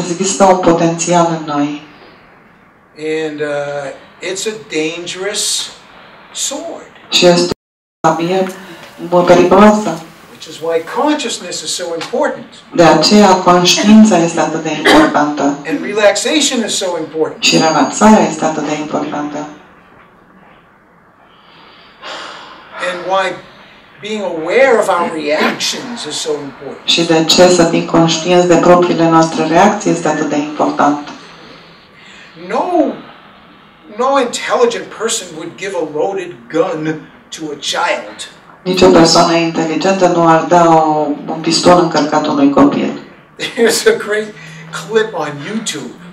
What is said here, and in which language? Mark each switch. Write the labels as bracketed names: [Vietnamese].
[Romanian] Există un potențial în noi. [English] And it's a dangerous sword. [Romanian] Și este o sabie periculoasă. [English] Which is why consciousness is so important. [Romanian] De aceea conștiința este atât de importantă. [English] And relaxation is so important. [Romanian] Și relaxarea este atât de importantă. [English] And why being aware of our reactions is so important. [Romanian] Și de ce să fim conștienți de propriile noastre reacții este atât de important. [English] No intelligent person would give a loaded gun to a child. [Romanian] Nici o persoană inteligentă nu ar da un pistol încărcat unui copil. [English] There's a great clip on YouTube.